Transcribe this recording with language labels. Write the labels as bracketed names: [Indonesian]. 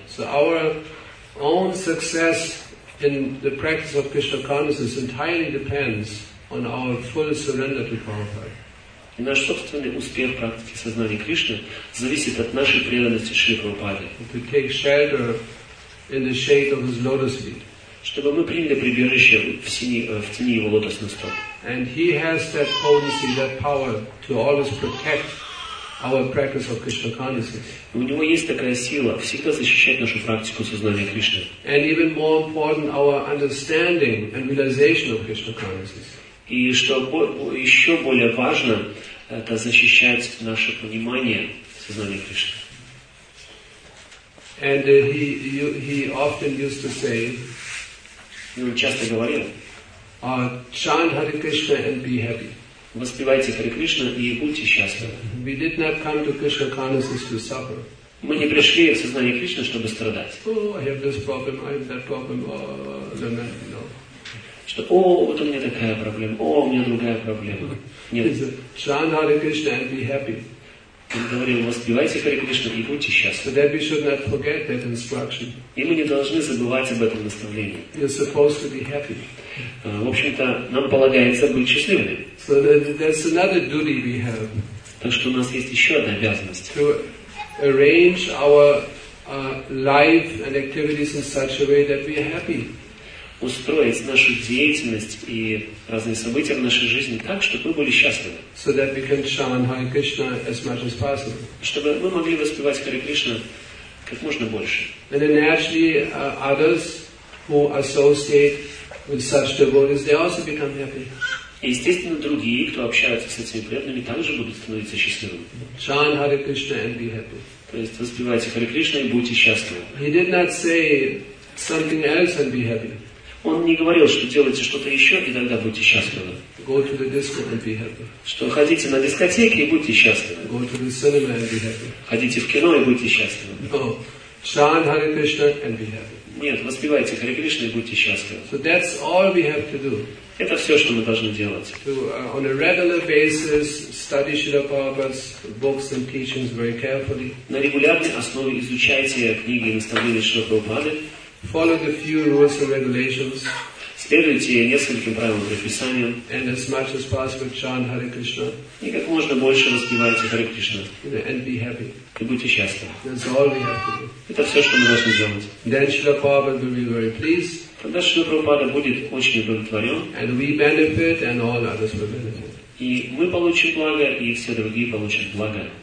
[English] So our own success in the practice of Krishna consciousness entirely depends on our full surrender to Prabhupada. [Russian] Наш собственный успех в практике сознания Кришны зависит от нашей преданности Шриле Прабхупаде. [English] To take shelter in the shade of his lotus feet. [Russian] Чтобы мы приняли прибежище в тени его лотосных стоп. [English] And he has that potency, that power to always protect our practice of Krishna consciousness. [Russian] У него есть такая сила всегда защищать нашу практику сознания Кришны. [English] And even more important, our understanding and realization of Krishna consciousness. [Russian] И что еще более важно, это защищать наше понимание сознания Кришны. [English] And he often used to say, [Russian] он часто говорил, [English] chant Hare Krishna and be happy. [Russian] Воспевайте Хари Кришна и будьте счастливы. [English] We did not come to Krishna consciousness to suffer. [Russian] Мы не пришли в сознание Кришны, чтобы страдать. [English] Oh, I have this problem, I have that problem, no. [Russian] Что, о, вот у меня такая проблема, о, у меня другая проблема. Нет. [English] Chant Hare Krishna and be happy. [Russian] Он говорил, воспевайте Хари Кришну и будьте счастливы. [English] So that we should not forget that instruction. [Russian] И мы не должны забывать об этом наставлении. [English] You're supposed to be happy. [Russian] В общем-то, нам полагается быть счастливыми. [English] So that's another duty we have. [Russian] Так что у нас есть еще одна обязанность. [English] To arrange our life and activities in such a way that we are happy. [Russian] Устроить нашу деятельность и разные события в нашей жизни так, чтобы мы были счастливы. [English] So that we can chant Hare Krishna as much as possible. [Russian] Чтобы мы могли воспевать Харе Кришна как можно больше. [English] And then naturally, others who associate with such devotees, they also become happy. [Russian] И естественно, другие, кто общаются с этими преданными, также будут становиться счастливыми. [English] Chant Hare Krishna and be happy. [Russian] То есть воспевайте Харе Кришна и будьте счастливы. [English] He did not say something else and be happy. [Russian] Он не говорил, что делайте что-то еще, и тогда будьте счастливы. [English] Go to the disco and be happy. [Russian] Что ходите на дискотеки и будьте счастливы. [English] Go to the cinema and be happy. [Russian] Ходите в кино и будьте счастливы. [English] No. Chant Hare Krishna and be happy. [Russian] Нет, воспевайте Харе Кришна и будьте счастливы. [English] So that's all we have to do. [Russian] Это все, что мы должны делать. [English] To, on a regular basis, study Srila Prabhupada's books and teachings very carefully. [Russian] На регулярной основе изучайте книги и наставления Шрила Прабхупады. [English] Follow the few rules and regulations. [Russian] Следуйте нескольким правилам предписания. [English] And as much as possible, chant Hare Krishna. [Russian] И как можно больше воспевайте Харе Кришна. [English] And be happy. [Russian] И будьте счастливы. [English] That's all we have to do. [Russian] Это все, что мы должны делать. [English] Then Srila Prabhupada will be very pleased. [Russian] Тогда Шрила Прабхупада будет очень удовлетворен. [English] And we benefit, and all others will benefit. [Russian] И мы получим благо, и все другие получат благо.